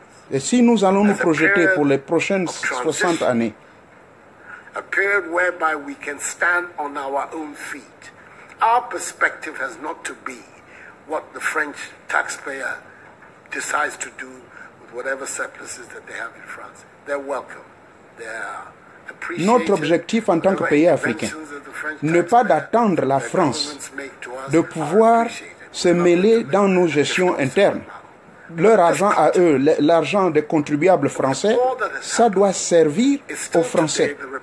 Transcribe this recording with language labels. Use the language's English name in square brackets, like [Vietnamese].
[French] Et si nous allons nous projeter pour les prochaines 60 années, [English] a period whereby we can stand on our own feet, our perspective has not to be what the French taxpayer decides to do with whatever surpluses that they have in France. They're welcome. They are. [French] Notre objectif en tant que pays africain n'est pas d'attendre la France de pouvoir se mêler dans nos gestions internes. Leur argent à eux, l'argent des contribuables français, ça doit servir aux Français.